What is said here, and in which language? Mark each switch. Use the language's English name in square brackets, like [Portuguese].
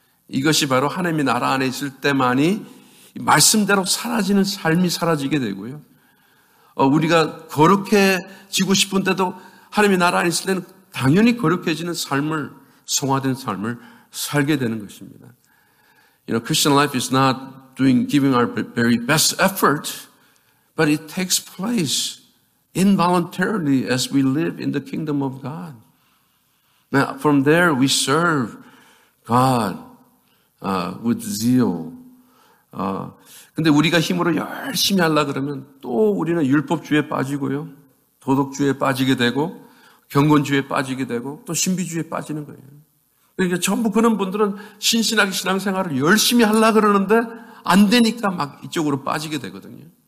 [Korean] 이것이 바로 하나님의 나라 안에 있을 때만이 말씀대로 사라지는 삶이 사라지게 되고요. 우리가 거룩해지고 싶은데도 하나님의 나라 안에 있을 때는 당연히 거룩해지는 삶을 성화된 삶을 살게 되는 것입니다. [English] You know, Christian life is not giving our very best effort, but it takes place involuntarily as we live in the kingdom of God. Now, from there, we serve God with zeal. [Korean] 근데 우리가 힘으로 열심히 하려고 그러면 또 우리는 율법주의에 빠지고요. 도덕주의에 빠지게 되고, 경건주의에 빠지게 되고, 또 신비주의에 빠지는 거예요. 그러니까 전부 그런 분들은 신신하게 신앙생활을 열심히 하려고 그러는데 안 되니까 막 이쪽으로 빠지게 되거든요.